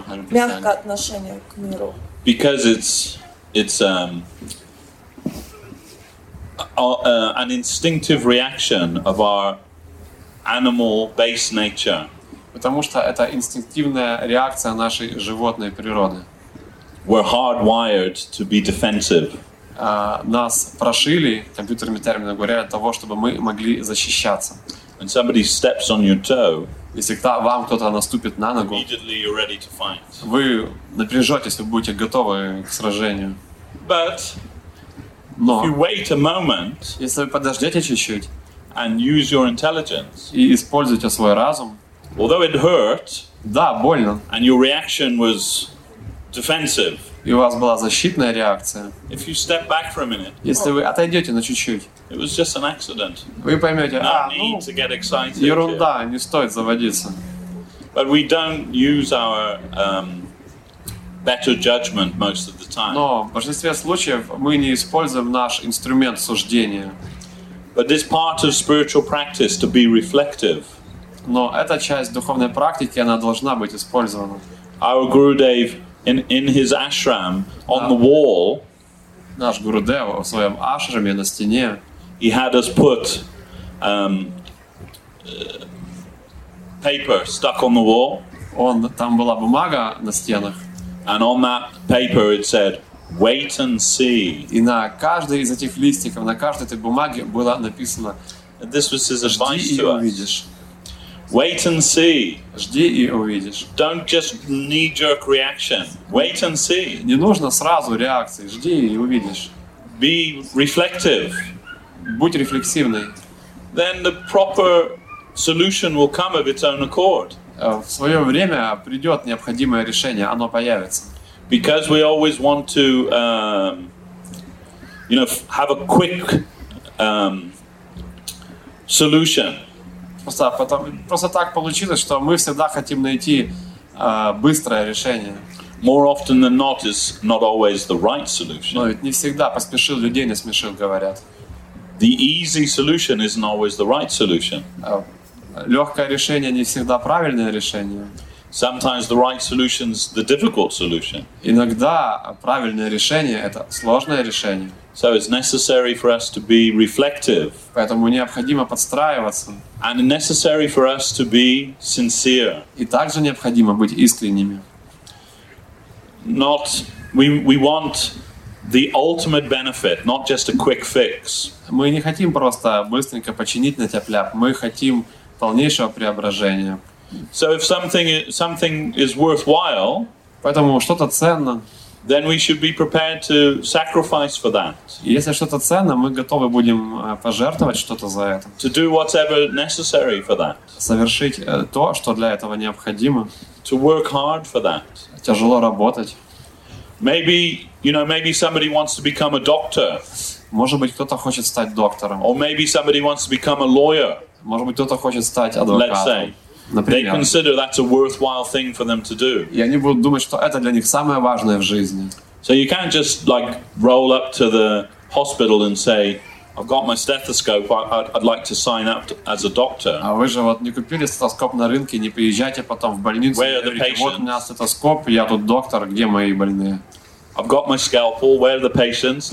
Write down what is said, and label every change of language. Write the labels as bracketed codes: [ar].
[ru] Мягкое отношение к миру. [en] Because it's an instinctive reaction of our animal based nature. [ru] Потому что это инстинктивная реакция нашей животной природы. [en] We're hardwired to be defensive. [ru] Нас прошили, компьютерными терминами говоря, для того, чтобы мы могли защищаться. [en] When somebody steps on your toe, [ru] если вам кто-то наступит на ногу, [en] immediately you're ready to fight. [ru] Вы напряжетесь, вы будете готовы к сражению. [en] But [ru] Но, [en] if you wait a moment, [ru] если вы подождете чуть-чуть, [en] and use your intelligence. [ru] И используйте свой разум. [en] Although it hurt, [ru] да, больно. [en] And your reaction was defensive. [ru] И у вас была защитная реакция. [en] If you step back for a minute. [ru] Если вы отойдёте на чуть-чуть. [en] It was just an accident. [ru] Вы поймёте, [en] no need to get excited. [ru] Ерунда, не стоит заводиться. [en] But we don't use our better judgment most of the time. [ru] Но в большинстве случаев мы не используем наш инструмент суждения. [en] But this part of spiritual practice to be reflective. [ru] Но эта часть духовной практики, она должна быть использована. [en] Our Gurudev in his ashram on the wall. [ru] Наш Гурудев в своём ашраме на стене. [en] He had us put paper stuck on the wall. [ru] Он там была бумага на стенах. [en] And on that paper it said wait and see. [ru] И на каждой из этих листиков, на каждой этой бумаге было написано: [en] this was his advice to us. Wait and see. [ru] Жди и увидишь. [en] Don't just knee-jerk reaction. Wait and see. [ru] Не нужно сразу реакции. Жди и увидишь. [en] Be reflective. [ru] Будь рефлексивный. [en] Then the proper solution will come of its own accord. [ru] В своё время придёт необходимое решение, оно появится. [en] Because we always want to have a quick solution. [ru] Просто так получилось, что мы всегда хотим найти быстрое решение. [en] More often than not is not always the right solution. [ru] Но ведь не всегда поспешил, людей не смешил, говорят. [en] The easy solution isn't always the right solution. [ru] Легкое решение не всегда правильное решение. [en] Sometimes the right solution is the difficult solution. [ru] Иногда правильное решение это сложное решение. [en] So it's necessary for us to be reflective. [ru] Поэтому необходимо подстраиваться. [en] And necessary for us to be sincere. [ru] И также необходимо быть искренними. [en] Not we want the ultimate benefit, not just a quick fix. [ru] Мы не хотим просто быстренько починить на тяп-ляп. Мы хотим полнейшего преображения. [en] So if something is worthwhile, [ru] поэтому что-то ценно, [en] then we should be prepared to sacrifice for that. [ru] Если что-то ценно, мы готовы будем пожертвовать что-то за это. [en] To do whatever necessary for that. [ru] Совершить то, что для этого необходимо. [en] To work hard for that. [ru] Тяжело работать. [en] Maybe, you know, maybe somebody wants to become a doctor. [ru] Может быть, кто-то хочет стать доктором. [en] Or maybe somebody wants to become a lawyer. [ru] Может быть, кто-то хочет стать адвокатом. [en] Let's say. [ru] Например, [en] they consider that's a worthwhile thing for them to do. [ru] И они будут думать, что это для них самое важное в жизни. [en] So you can't just like roll up to the hospital and say, I've got my stethoscope, I'd like to sign up as a doctor. [ru] А вы же вот не купили стетоскоп на рынке, не приезжайте потом в больницу. [en] Where are the patients? [ru] Вот у меня стетоскоп, я тут доктор, где мои больные? [en] I've got my scalpel, where are the patients?